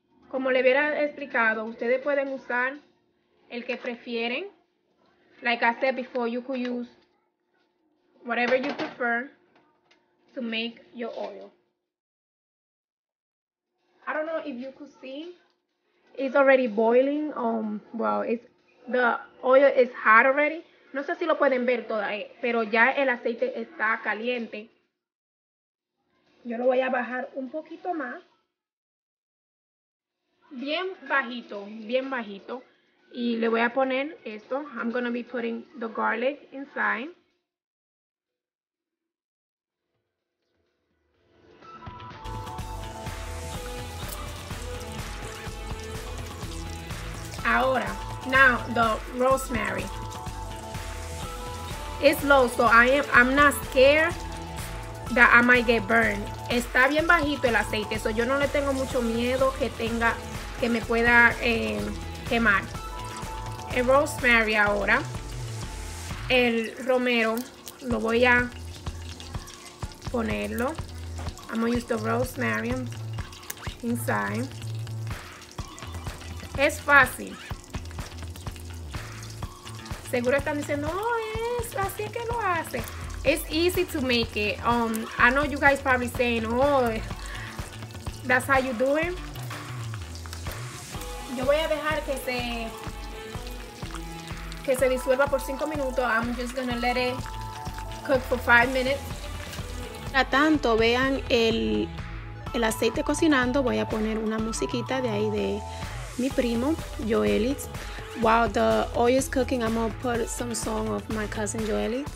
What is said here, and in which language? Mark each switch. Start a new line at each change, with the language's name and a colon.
Spanish: Como le hubiera explicado, ustedes pueden usar el que prefieren.
English: Like I said before, you could use whatever you prefer to make your oil. I don't know if you could see, it's already boiling. The oil is hot already.
Spanish: No sé si lo pueden ver todavía, pero ya el aceite está caliente. Yo lo voy a bajar un poquito más. Bien bajito, bien bajito. Y le voy a poner esto.
English: I'm gonna be putting the garlic inside.
Spanish: Ahora,
English: now the rosemary. It's low, so I'm not scared that I might get burned.
Spanish: Está bien bajito el aceite, so yo no le tengo mucho miedo que tenga, que me pueda quemar. El rosemary ahora. El romero. Lo voy a ponerlo.
English: I'm gonna use the rosemary inside.
Spanish: Es fácil. Seguro están diciendo, oh, es así que lo hace.
English: It's easy to make it. I know you guys probably saying, oh, that's how you do it.
Spanish: Yo voy a dejar que se disuelva por 5 minutos.
English: I'm just gonna let it cook for 5 minutes.
Spanish: Mientras tanto, vean el aceite cocinando. Voy a poner una musiquita de ahí de mi primo, Joelis.
English: While the oil is cooking, I'm gonna put some song of my cousin Joely.